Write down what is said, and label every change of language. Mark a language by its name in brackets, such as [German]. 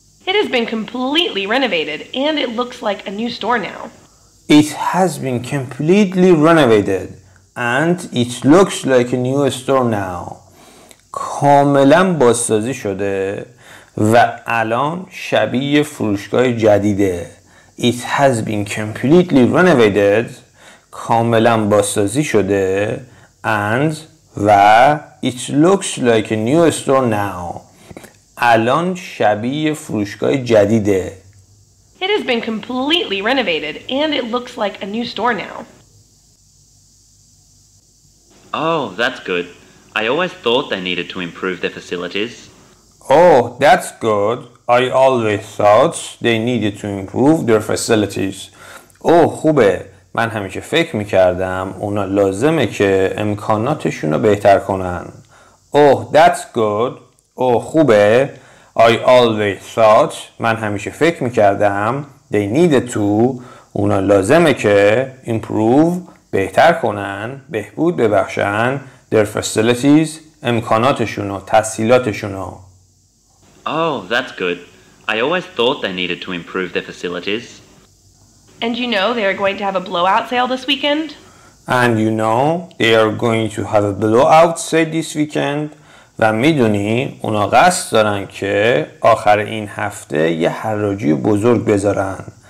[English] It has been completely renovated and it looks like a new store now. It has been completely renovated and it looks like a new store now. [Persian] کاملا بازسازی شده و الان شبیه فروشگاه جدیده. [English] It has been completely renovated. [Persian] کاملا بازسازی شده [English] and و it looks like a new store now. [Persian] الان شبیه فروشگاه جدیده. [English] It has been completely renovated and it looks like a new store now. Oh, that's good. I always thought they needed to improve their facilities. Oh, that's good. I always thought they needed to improve their facilities. [Persian] Oh, خوبه. من همیشه فکر میکردم اونا لازمه که امکاناتشون رو بهتر کنن. [English] Oh, that's good. Oh, [Persian] خوبه. [English] I always thought [Persian] من همیشه فکر میکردم [English] they needed to [Persian] اونا لازمه که [English] improve [Persian] بهتر کنن بهبود ببخشن [English] their facilities [Persian] امکاناتشون و تسهیلاتشون و [English] Oh, that's good. I always thought they needed to improve their facilities. And you know they are going to have a blowout sale this weekend? And you know they are going to have a blowout sale this weekend. [Persian] و میدونی اونا قصد دارن که آخر این هفته یه حراجی بزرگ بذارن.